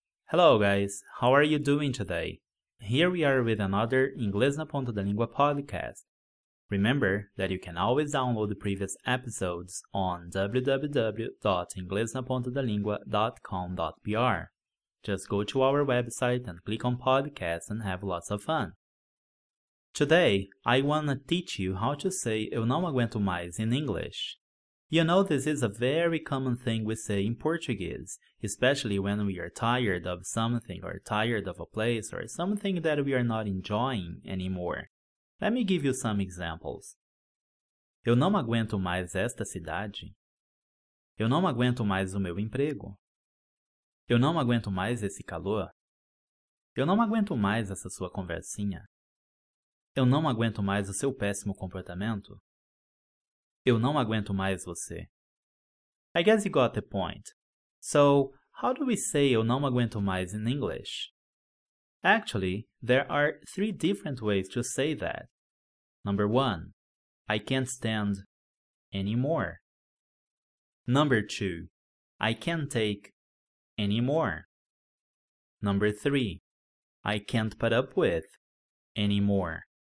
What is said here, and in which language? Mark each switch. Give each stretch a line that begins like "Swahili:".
English: Hello guys, how are you doing today? Here we are with another Inglês na Ponta da Língua podcast. Remember that you can always download the previous episodes on www.inglesnapontadalingua.com.br. Just go to our website and click on podcasts and have lots of fun. Today, I wanna teach you how to say
Portuguese: eu não aguento mais
English: in English. You know, this is a very common thing we say in Portuguese, especially when we are tired of something or tired of a place or something that we are not enjoying anymore. Let me give you some examples.
Portuguese: Eu não aguento mais esta cidade. Eu não aguento mais o meu emprego. Eu não aguento mais esse calor. Eu não aguento mais essa sua conversinha. Eu não aguento mais o seu péssimo comportamento. Eu não aguento mais você.
English: I guess you got the point. So, how do we say
Portuguese: eu não aguento mais
English: in English? Actually, there are three different ways to say that. Number one, I can't stand anymore. Number two, I can't take anymore. Number three, I can't put up with anymore.